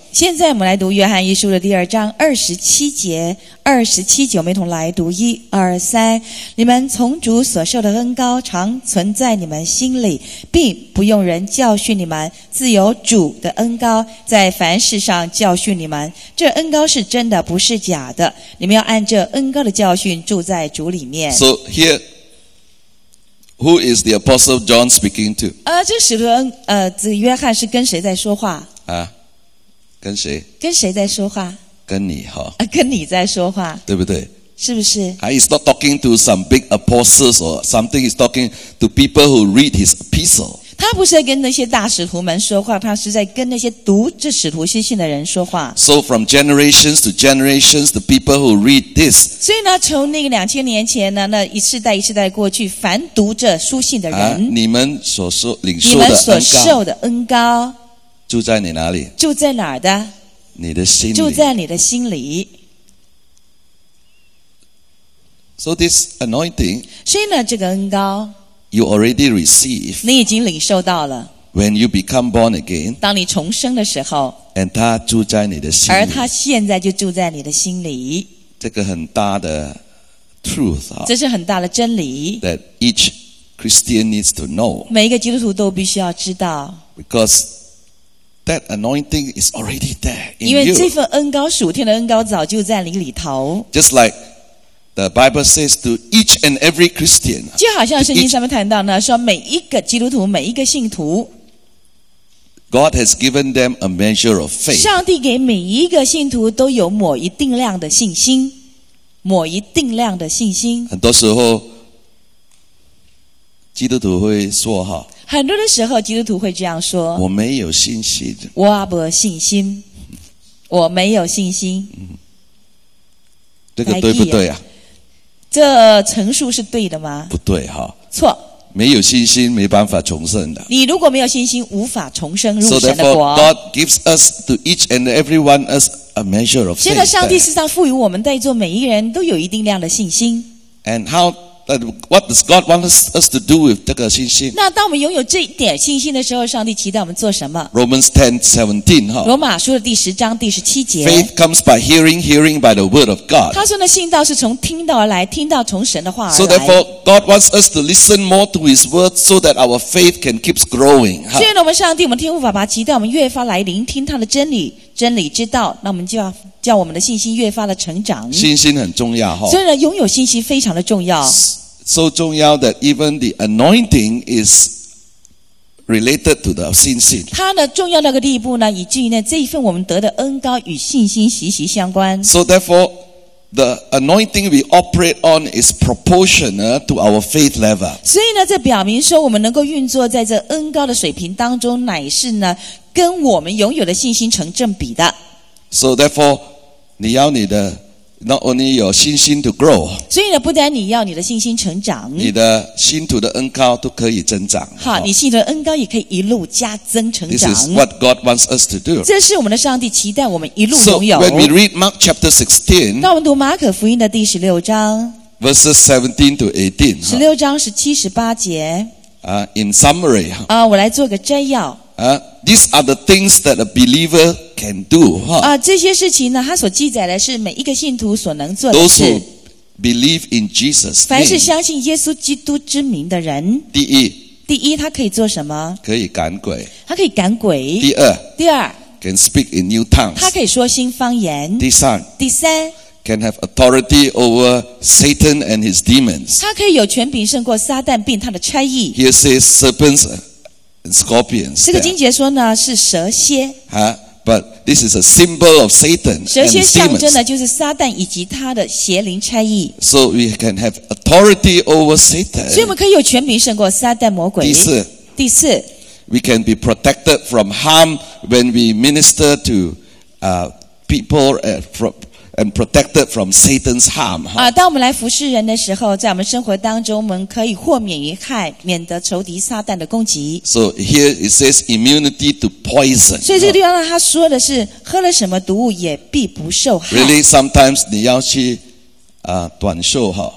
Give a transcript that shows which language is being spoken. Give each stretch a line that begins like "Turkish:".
Chinese: 现在我们来读约翰一书的第二章二十七节，二十七节，我们一同来读，一、二、三。你们从主所受的恩膏常存在你们心里，并不用人教训你们，自有主的恩膏在凡事上教训你们。这恩膏是真的，不是假的。你们要按这恩膏的教训住在主里面。
English: So here,Who is the Apostle John speaking to?
Chinese: 这使徒这约翰是跟谁在说话？跟谁？跟谁在说话？跟你哈。跟你在说话，对不对？是不是？
English: He's not talking to some big apostles or something. He's talking to people who read his epistle.
Chinese: 他不是在跟那些大使徒们说话，他是在跟那些读这使徒书信的人说话。
English: So from generations to generations, the people who read this.
Chinese: 所以呢，从那个两千年前呢，那一世代一世代过去，凡读这书信的人，你们所受领受的恩膏，你们所受的恩膏，住在你哪里？住在哪儿的？你的心里。住在你的心里。
English: So this anointing,
Chinese: 所以呢，这个恩膏
English: you already receive,
Chinese: 你已经领受到了
English: when you become born again,
Chinese: 当你重生的时候 and 他住在你的心里而他现在就住在你的心里这个很大的 truth, 这是很大的真理
English: that each Christian needs to know,
Chinese: 每一个基督徒都必须要知道
English: becauseThat anointing is already there in you.
Chinese: 因为这份恩膏属天的恩膏早就在你里头。
English: Just like the Bible says to each and every Christian.
Chinese: 就好像圣经上面谈到呢，说每一个基督徒，每一个信徒。
English: God has given them a measure of faith.
Chinese: 上帝给每一个信徒都有抹一定量的信心，抹一定量的信心。很多时候，基督徒会说哈。很多的时候基督徒会这样说我没有信心我不信心我没有信心、嗯、这个对不对啊这陈述是对的吗不对哈、哦、错没有信心没办法重生的你如果没有信心无法重生入神的国
English: So therefore God gives us to each and every one us a measure of faith
Chinese: 现在上帝事实上赋予我们在座每一个人都有一定量的信心
English: And how what does God want us to do with
Chinese: 这个信心？那当我们拥有这一点信心的时候，上帝期待我们做什么？
English: Romans 10:17 哈。
Chinese: 罗马书的第十章第十七节。
English: Faith comes by hearing, hearing by the word of God.
Chinese: 他说呢，信道是从听到而来，听到从神的话而来。
English: So therefore, God wants us to listen more to His word, so that our faith can keep growing.
Chinese: 所以呢，我们上帝，我们天父爸爸期待我们越发来聆听他的真理。真理之道，那我们就要叫我们的信心越发的成长。信心很重要哈。所以呢，拥有信心非常的重要。
English: So 重要 that even the anointing is related to the 信心。
Chinese: 它呢重要那个地步呢，以至于呢这一份我们得的恩膏与信心息息相关。
English: So therefore, the anointing we operate on is proportional to our faith level.
Chinese: 所以呢，这表明说我们能够运作在这恩膏的水平当中，乃是呢。跟我们拥有的信心成正比的。
English: So therefore,
Chinese: 你要你的
English: not only your 信心 to grow.
Chinese: 所以呢，不但你要你的信心成长，你的信徒的恩膏都可以增长。好，你信徒的恩膏也可以一路加增成长。
English: This is what God wants us to do.
Chinese: 这是我们的上帝期待我们一路拥有。
English: So when we read Mark chapter 16,
Chinese: 那我们读马可福音的第十六章
English: verses 17 to 18,
Chinese: 十六章十七十八节。
English: In summary,
Chinese: 我来做个摘要。
English: These are the things that a believer can do.
Chinese: 这些事情呢，它所记载的是每一个信徒所能做的事。
English: Those who believe in Jesus.
Chinese: 凡是相信耶稣基督之名的人。第一，他可以做什么？可以赶鬼。他可以赶鬼。第二
English: ，can speak in new tongues.
Chinese: 他可以说新方言。第三。
English: Can have authority over Satan and his demons.
Chinese: 他可以有权柄胜过撒旦并他的差役。
English: Here says serpents and scorpions.
Chinese: 这个经节说呢是蛇蝎。
English: But this is a symbol of Satan and his demons.
Chinese: 蛇蝎象征的就是撒旦以及他的邪灵差役。
English: So we can have authority over Satan.
Chinese: 所以我们可以有权柄胜过撒旦魔鬼。第四。
English: We can be protected from harm when we minister to people and protected from Satan's harm.
Chinese: 当我们来服侍人的时候，在我们生活当中，我们可以豁免于害，免得仇敌撒旦的攻击。
English: So here it says immunity to poison.
Chinese: 所以这个地方呢，他说的是喝了什么毒物也必不受害。
English: Really, sometimes
Chinese: 你要去短袖哈。